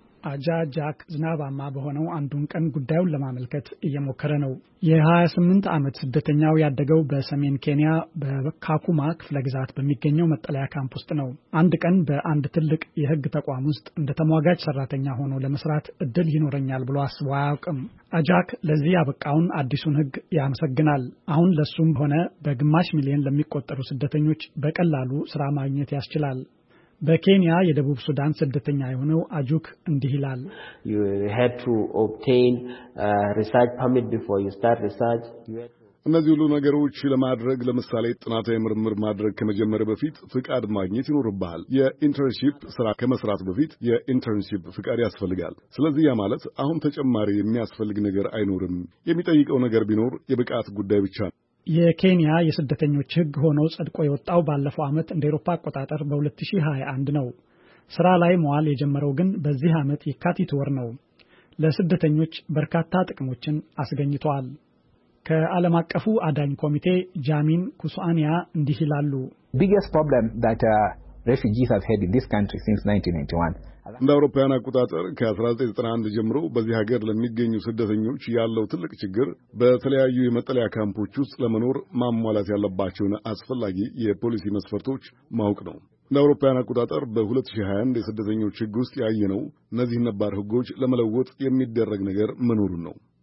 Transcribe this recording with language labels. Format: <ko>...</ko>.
<am>አጃ ጃክ ዝናባማ በሆነው አንዱን ቀን ጉዳዩን ለማመልከት እየሞከረ ነው። የ28 ዓመት ስደተኛው ያደገው በሰሜን ኬንያ በካኩማ ክፍለ ግዛት በሚገኘው መጠለያ ካምፕ ውስጥ ነው። አንድ ቀን በአንድ ትልቅ የህግ ተቋም ውስጥ እንደ ተሟጋጅ ሰራተኛ ሆኖ ለመስራት እድል ይኖረኛል ብሎ አስቦ አያውቅም። አጃክ ለዚህ ያበቃውን አዲሱን ህግ ያመሰግናል። አሁን ለሱም ሆነ በግማሽ ሚሊዮን ለሚቆጠሩ ስደተኞች በቀላሉ ስራ ማግኘት ያስችላል። በኬንያ የደቡብ ሱዳን ስደተኛ የሆነው አጁክ እንዲህ ይላል።</am> <en>You had to obtain a research permit before you start research.</en> <am>እነዚህ ሁሉ ነገሮች ለማድረግ ለምሳሌ ጥናታዊ ምርምር ማድረግ ከመጀመር በፊት ፍቃድ ማግኘት ይኖርብሃል። የኢንተርንሺፕ ስራ ከመስራት በፊት የኢንተርንሺፕ ፍቃድ ያስፈልጋል። ስለዚህ ያ ማለት አሁን ተጨማሪ የሚያስፈልግ ነገር አይኖርም። የሚጠይቀው ነገር ቢኖር የብቃት ጉዳይ ብቻ ነው። የኬንያ የስደተኞች ህግ ሆኖ ጸድቆ የወጣው ባለፈው ዓመት እንደ አውሮፓ አቆጣጠር በ2021 ነው። ስራ ላይ መዋል የጀመረው ግን በዚህ ዓመት የካቲት ወር ነው። ለስደተኞች በርካታ ጥቅሞችን አስገኝቷል። ከዓለም አቀፉ አዳኝ ኮሚቴ ጃሚን ኩሱአኒያ እንዲህ ይላሉ።</am> <en>Biggest problem that refugees have had in this country since 1991.</en> <am>እንደ አውሮፓውያን አቆጣጠር ከ1991 ጀምሮ በዚህ ሀገር ለሚገኙ ስደተኞች ያለው ትልቅ ችግር በተለያዩ የመጠለያ ካምፖች ውስጥ ለመኖር ማሟላት ያለባቸውን አስፈላጊ የፖሊሲ መስፈርቶች ማወቅ ነው። እንደ አውሮፓውያን አቆጣጠር በ2021 የስደተኞች ህግ ውስጥ ያየነው እነዚህን ነባር ህጎች ለመለወጥ የሚደረግ ነገር መኖሩን ነው።</am>